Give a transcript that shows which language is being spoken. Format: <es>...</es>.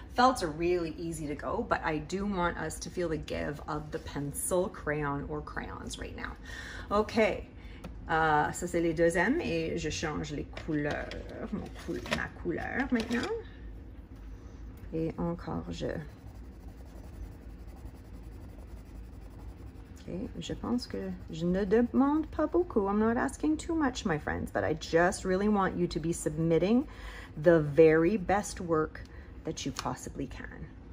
<en>Felts are really easy to go, but I do want us to feel the give of the pencil crayon or crayons right now.</en> <fr>Okay, ça c'est les deux M et je change les couleurs, ma couleur maintenant. Et encore je... Okay. Je pense que je ne demande pas beaucoup.</fr> <en>I'm not asking too much, my friends, but I just really want you to be submitting the very best work that you possibly can.</en>